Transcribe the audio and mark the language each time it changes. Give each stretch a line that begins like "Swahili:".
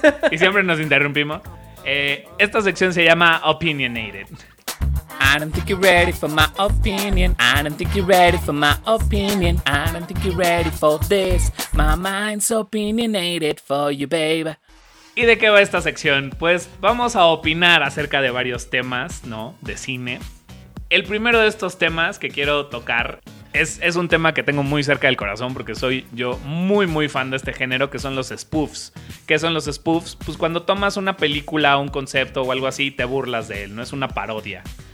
Spanish: Y siempre nos interrumpimos. Esta sección se llama Opinionated.
English: I don't think you're ready for my opinion. I don't think you're ready for my opinion. I don't think you're ready for this. My mind's opinionated for you, babe.
Spanish: ¿Y de qué va esta sección? Pues vamos a opinar acerca de varios temas, ¿no? De cine. El primero de estos temas que quiero tocar es un tema que tengo muy cerca del corazón porque soy yo muy, muy fan de este género, que son los spoofs. ¿Qué son los spoofs? Pues cuando tomas una película, un concepto o algo así, te burlas de él, no es una parodia.